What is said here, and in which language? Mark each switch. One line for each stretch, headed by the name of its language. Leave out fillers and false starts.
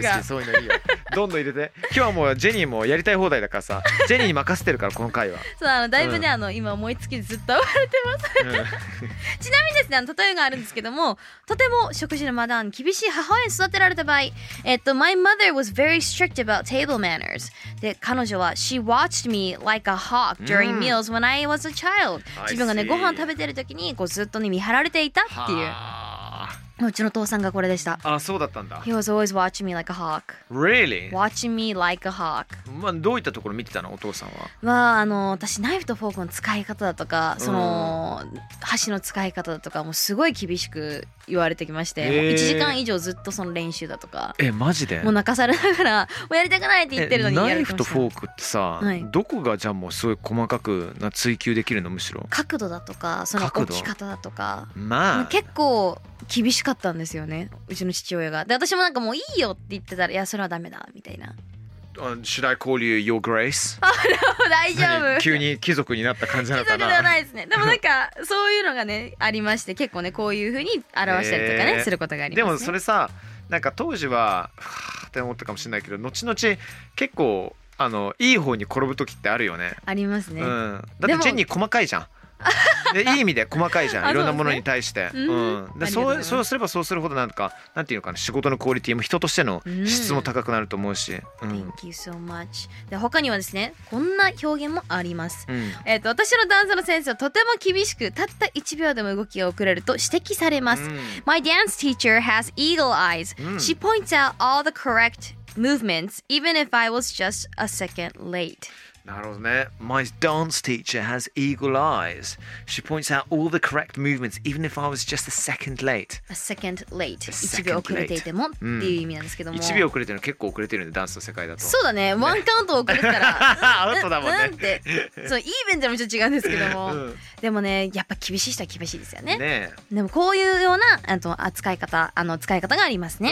Japanese: いやいや、すごい好き、そういうのいいよ。どんどん入れて、今日はもうジェニーもやりたい放題だからさ、ジェニーに任せてるから、この回は。そう、あのだいぶね、うん、あの今思いつきずっと暴れてます、うん、ちなみにですね、あの例えがあるんですけども、とても食事のマナーに厳しい母親に育てられた場合、
English: My mother was very strict about table manners.
Japanese: で、彼女は
English: She watched me like a hawk during meals when I was a child.
Japanese: 自分がね、ご飯食べてる時にこうずっとね、見張られていたっていう。うちの父さんがこれでした。あ、そうだったんだ。
English: He was always watching me like a hawk. Really? Watching me like a hawk.
Japanese: まあ、どういったところ見てたの、お父さんは。まあ、あの、私、ナイフとフォークの使い方だとか、その、うん、箸の使い方だとか、もうすごい厳しく言われてきまして、もう1時間以上ずっとその練習だとか。え、マジで？もう泣かされながら、もうやりたくないって言ってるのにやりました。ナイフとフォークってさ、はい、どこがじゃあもうすごい細かくな追求できるの、むしろ。角度だとか、その置き方だとか。まあ。結構、厳しかったんですよね、うちの父親が。で、私もなんかもういいよって言ってたら、いや、それはダメだみたいな。
English: Should I call you your grace?
Japanese: No, 大丈夫。急に貴族になった感じなのかな。貴族ではないですね。でもなんかそういうのがねありまして、結構ねこういう風に表したりとかね、することがありますね。でもそれさ、なんか当時はって思ったかもしれないけど、後々結構あのいい方に転ぶ時ってあるよね。ありますね、うん、だってジェニー細かいじゃん。でいい意味で細かいじゃん、いろんなものに対して。そうすればそうするほど、なんか、なんていうのかな、仕事のクオリティも人としての質も高くなると思うし。うん、
English: Thank you so much。
Japanese: で、他にはですね、こんな表現もあります。うん、私のダンスの先生はとても厳しく、たった1秒でも動きが遅れると指摘されます。
English: うん、My dance teacher has eagle eyes.、うん、She points out all the correct movements, even if I was just a second late.
Japanese: なるほどね。
English: My dance teacher has eagle eyes. She points out all the correct movements, even if I was just a second late. A second late.
Japanese: 1秒遅れていてもっていう意味なんですけども。 1秒遅れてるの結構遅れてるんで、ダンスの世界だと。そうだね。ワンカウント遅れたら。アウトだもんね。なんて。そう、イーベンでもちょっと違うんですけども。うん、でもね、やっぱ厳しい人は厳しいですよね。ねえ。でもこういうような、あの、扱い方、あの、使い方がありますね。